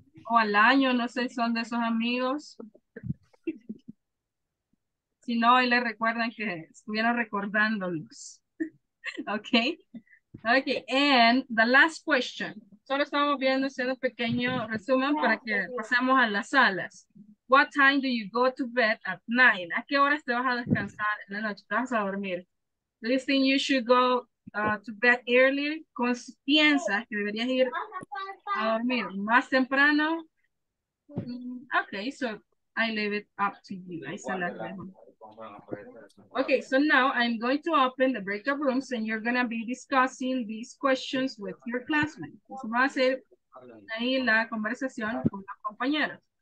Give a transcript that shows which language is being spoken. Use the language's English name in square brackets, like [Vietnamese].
[Spanish] O al año, no sé si son de esos amigos. Si no, ahí le recuerdan que estuvieron recordándolos. Okay. Okay. [English] And the last question. [Spanish] Solo estamos viendo un pequeño resumen para que pasemos a las salas. [English] What time do you go to bed at night? [Spanish] ¿A qué horas te vas a descansar en la noche? ¿Te vas a dormir? [English] Do you think you should go to bed early? [Spanish] ¿Piensas que deberías ir a dormir más temprano? [English] Okay, so I leave it up to you. I select them. Okay, so now I'm going to open the breakout rooms and you're going to be discussing these questions with your classmates. [Spanish] Vamos a hacer ahí la conversación con los compañeros.